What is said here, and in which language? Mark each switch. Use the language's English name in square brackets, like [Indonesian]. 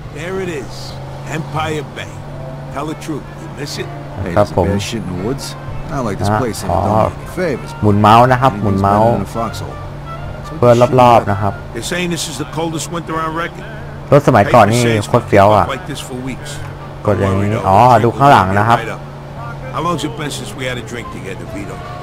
[English] There it is Empire Bay Tell the truth you miss it [Thai] ครับผม [English] I like this place. I've done many favors. [Thai] หมุนเมาส์นะครับหมุนเมาส์เพื่อนรอบๆนะครับ [English] They're saying this is the coldest winter on record. [Thai] รถสมัยก่อนนี่โคตรเฟี้ยวอ่ะกดอย่างนี้อ๋อดูข้างหลังนะครับ [English] How long has it been since we had a drink together, Vito?